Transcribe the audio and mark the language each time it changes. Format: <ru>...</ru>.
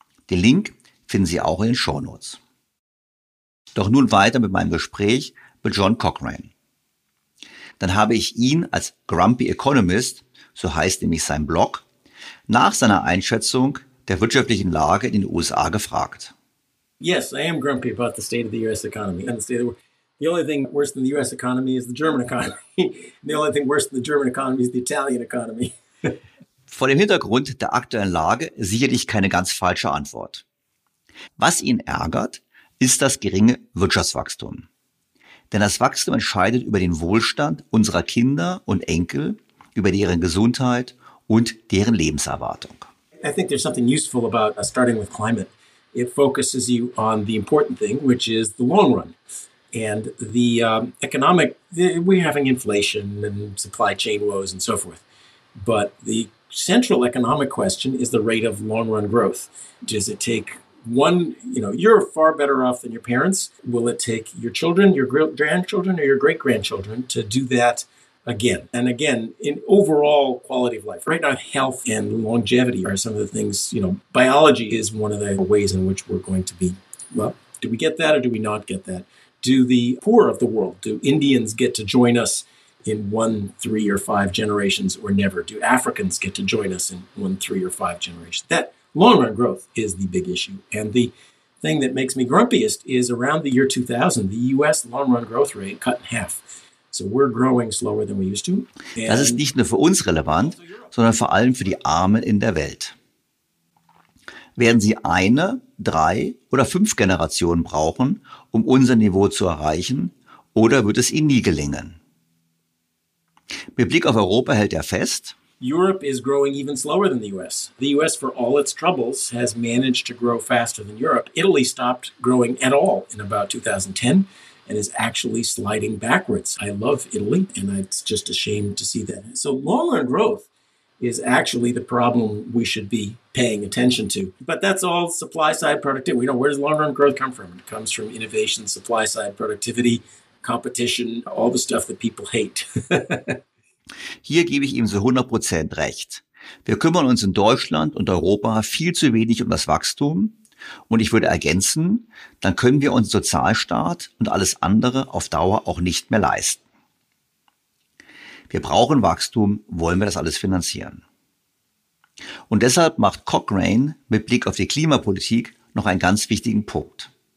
<de>Den Link finden Sie auch in den Shownotes. Doch nun weiter mit meinem Gespräch mit John Cochrane. Dann habe ich ihn als Grumpy Economist, so heißt nämlich sein Blog, nach seiner Einschätzung der wirtschaftlichen Lage in den USA gefragt.</de> <en>Yes, I am grumpy about the state of the US economy and the state of the world. The only thing worse than the US economy is the German economy. And the only thing worse than the German economy is the Italian economy.</en> <de>Vor dem Hintergrund der aktuellen Lage sicherlich keine ganz falsche Antwort. Was ihn ärgert, ist das geringe Wirtschaftswachstum. Denn das Wachstum entscheidet über den Wohlstand unserer Kinder und Enkel, über deren Gesundheit und deren Lebenserwartung.</de> <en>I think there's something useful about starting with climate. It focuses you on the important thing, which is the long run. And the economic, we're having inflation and supply chain woes and so forth. But the central economic question is the rate of long run growth. Does it take one, you know, you're far better off than your parents. Will it take your children, your grandchildren, or your great grandchildren to do that again? And again, in overall quality of life. Right now, health and longevity are some of the things, you know, biology is one of the ways in which we're going to be, well, do we get that or do we not get that? Do the poor of the world, do Indians get to join us in 1, 3, or 5 generations or never? Do Africans get to join us in 1, 3, or 5 generations? That long-run growth is the big issue. And the thing that makes me grumpiest is around the year 2000, the U.S. long-run growth rate cut in half. So we're growing slower than we used to.</en> <de>Das ist nicht nur für uns relevant, sondern vor allem für die Armen in der Welt. Werden sie 1, 3 oder 5 Generationen brauchen, um unser Niveau zu erreichen, oder wird es ihnen nie gelingen? Mit Blick auf Europa hält er fest,</de> <en>Europe is growing even slower than the US. The US, for all its troubles, has managed to grow faster than Europe. Italy stopped growing at all in about 2010 and is actually sliding backwards. I love Italy, and it's just a shame to see that. So long-run growth is actually the problem we should be paying attention to. But that's all supply-side productivity. We know, where does long-run growth come from? It comes from innovation, supply-side productivity, competition, all the stuff that people hate.</en> <de>Hier gebe ich ihm so 100% recht. Wir kümmern uns in Deutschland und Europa viel zu wenig um das Wachstum. Und ich würde ergänzen, dann können wir uns Sozialstaat und alles andere auf Dauer auch nicht mehr leisten. Wir brauchen Wachstum, wollen wir das alles finanzieren. Und deshalb macht Cochrane mit Blick auf die Klimapolitik noch einen ganz wichtigen Punkt.</de>